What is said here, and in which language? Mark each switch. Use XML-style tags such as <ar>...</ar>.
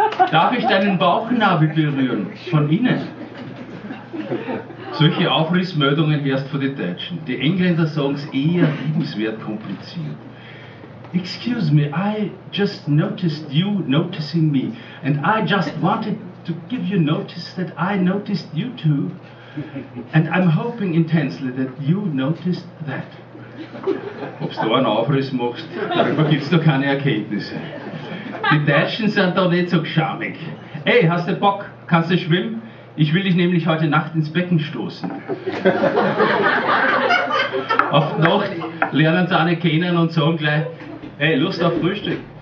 <de>Darf ich deinen Bauchnabel berühren? Von innen? Solche Aufrissmeldungen hörst du von den Deutschen. Die Engländer sagen es eher liebenswert kompliziert.</de> <en>Excuse me, I just noticed you noticing me, and I just wanted to give you notice that I noticed you too, and I'm hoping intensely that you noticed that.</en> <de>Ob du einen Aufriss machst, darüber gibt's doch keine Erkenntnisse. Die Deutschen sind da nicht so geschamig. Ey, hast du Bock? Kannst du schwimmen? Ich will dich nämlich heute Nacht ins Becken stoßen. Auf die Nacht lernen sie einen kennen und sagen gleich, ey, Lust auf Frühstück.</de>